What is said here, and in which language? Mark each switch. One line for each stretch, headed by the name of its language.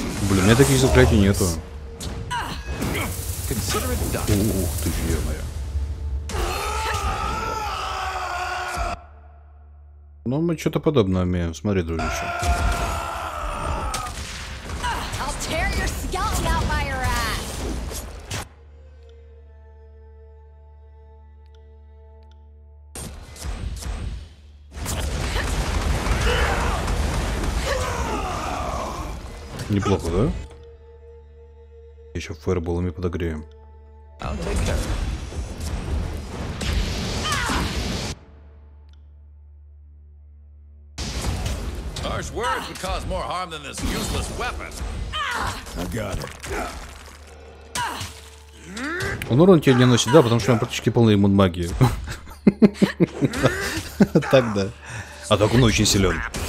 Russian: Блин, у меня таких заклятий нету. Ух ты, ё-моё. Ну, мы что-то подобное умеем. Смотри, дружище.
English: I'll tear your skeleton out by your ass.
Russian: Неплохо, да? Еще фаерболами подогреем.
English: I'll take care. Harsh words would cause more harm than this useless weapon. I got it.
Russian: Он урон тебе не носит, да, потому что он практически полный иммун магии. Так, да. А так он очень силен.